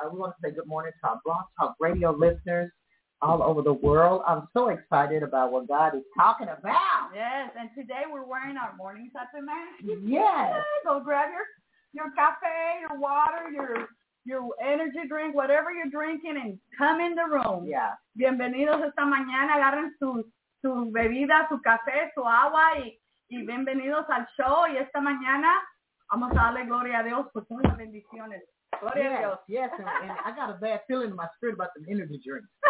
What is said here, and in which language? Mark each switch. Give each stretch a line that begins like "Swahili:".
English: We want to say good morning to our Blog Talk Radio listeners all over the world. I'm so excited about what God is talking about. Yes, and today we're wearing our morning sets of masks. Yes. Go grab your cafe, your water, your energy drink, whatever you're drinking, and come in the room. Yeah.
Spanish: Bienvenidos esta mañana. Agarren su bebida, su café, su agua, y bienvenidos al show. Y esta mañana vamos a darle gloria a Dios por todas las bendiciones. Gloria
English: yes,
Spanish: a Dios.
English: Yes, and I got a bad feeling in my spirit about the energy drink.